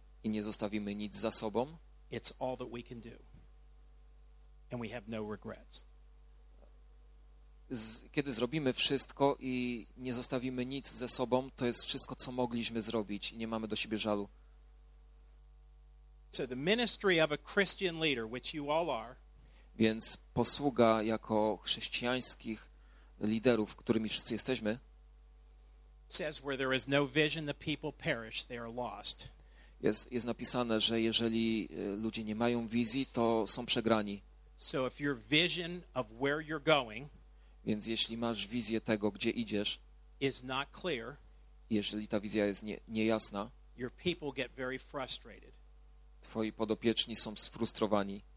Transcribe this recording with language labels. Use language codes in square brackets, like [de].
[pl] i nie zostawimy nic za sobą, [en] it's all that we can do. And we have no regrets. [pl] Kiedy zrobimy wszystko i nie zostawimy nic ze sobą, to jest wszystko, co mogliśmy zrobić i nie mamy do siebie żalu. [en] So the ministry of a Christian leader, which you all are, [pl] więc posługa jako chrześcijańskich liderów, którymi wszyscy jesteśmy, [en] says where there is no vision, the people perish, they are lost. [pl] Jest napisane, że jeżeli ludzie nie mają wizji, to są przegrani. [en] So if your vision of where you're going, [pl] więc jeśli masz wizję tego, gdzie idziesz, [en] is not clear, [pl] jeżeli ta wizja jest niejasna, [en] your people get very frustrated, [pl] twoi podopieczni są sfrustrowani,